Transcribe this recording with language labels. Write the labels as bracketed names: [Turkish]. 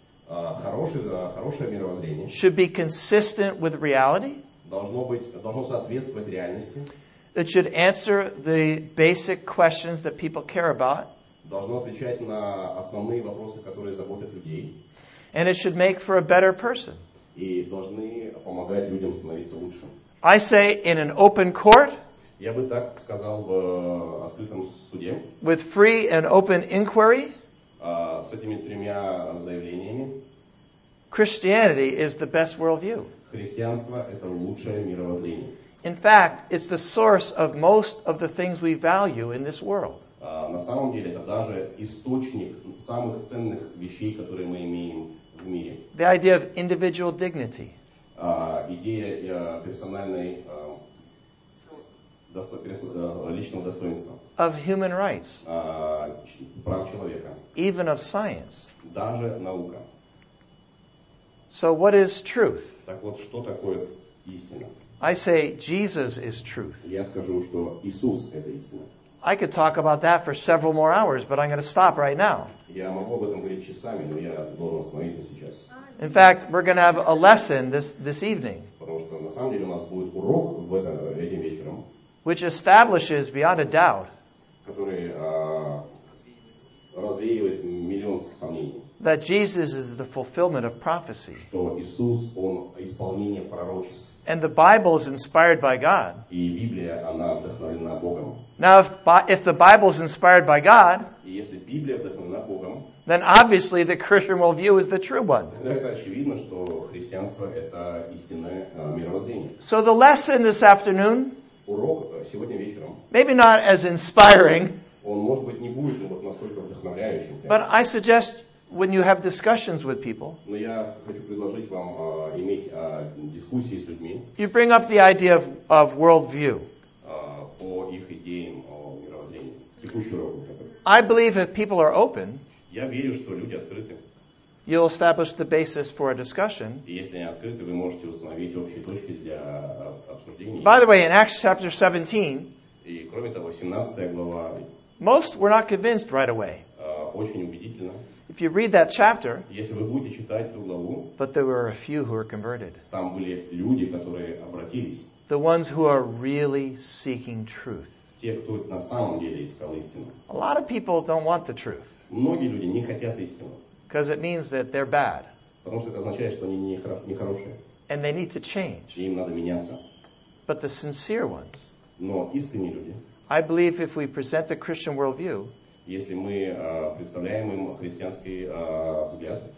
[Russian] хорошее мировоззрение [English] should be consistent with reality. [Russian] Должно соответствовать реальности. [English] It should answer the basic questions that people care about. [Russian] Должно отвечать на основные вопросы, которые заботят людей. [English] And it should make for a better person. [Russian] И должны помогать людям становиться лучше. [English] I say in an open court. [Russian] Я бы так сказал в открытом суде. [English] With free and open inquiry. [Russian] С этими тремя заявлениями. [English] Christianity is the best worldview. [Russian] Христианство – это лучшее мировоззрение. [English] In fact, it's the source of most of the things we value in this world. [Russian] На самом деле, это даже источник самых ценных вещей, которые мы имеем в мире. [English] The idea of individual dignity. [Russian] Идея персональной личного достоинства. [English] Of human rights. [Russian] Прав человека. [English] Even of science. [Russian] Даже наука. [English] So what is truth? [Russian] Так вот, что такое истина? [English] I say Jesus is truth. [Russian] Я скажу, что Иисус – это истина. [English] I could talk about that for several more hours, but I'm going to stop right now. [Russian] Я могу об этом говорить часами, но я должен остановиться сейчас. [English] In fact, we're going to have a lesson this evening. [Russian] Потому что на самом деле у нас будет урок в этим вечером. [English] Which establishes beyond a doubt, [Russian] который развеивает миллион сомнений, [English] that Jesus is the fulfillment of prophecy, [Russian] что Иисус он исполнение пророчеств, [English] and the Bible is inspired by God. [Russian] И Библия она вдохновлена Богом. [English] Now, if the Bible is inspired by God, [Russian] и если Библия вдохновлена Богом, [English] then obviously the Christian worldview is the true one. [Russian] Это очевидно, что христианство это истинное мировоззрение. [English] So the lesson this afternoon. [Russian] Урок сегодня вечером. [English] Maybe not as inspiring. [Russian] Он, может быть, не будет, но вот настолько вдохновляющим. [English] But I suggest when you have discussions with people. [Russian] Но я хочу предложить вам иметь дискуссии с людьми. [English] You bring up the idea of worldview. [Russian] По их идеям о мировоззрении. Текущую работу. [English] I believe if people are open. [Russian] Я верю, что люди открыты. [English] You'll establish the basis for a discussion. [Russian] Если они открыты, вы можете установить общие точки для обсуждения. [English] By the way, in Acts chapter 17, [Russian] и кроме того, 17 глава, [English] most were not convinced right away. [Russian] Очень убедительно. [English] If you read that chapter, [Russian] если вы будете читать ту главу, [English] but there were a few who were converted. [Russian] Там были люди, которые обратились. [English] The ones who are really seeking truth. [Russian] тех, кто на самом деле искал истину. [English] A lot of people don't want the truth. [Russian] Многие люди не хотят истину. [English] Because it means that they're bad. [Russian] Потому что это означает, что они нехорошие. [English] And they need to change. [Russian] И им надо меняться. [English] But the sincere ones. [Russian] Но искренние люди. [English] I believe if we present the Christian worldview. [Russian] Если мы представляем им христианский взгляд.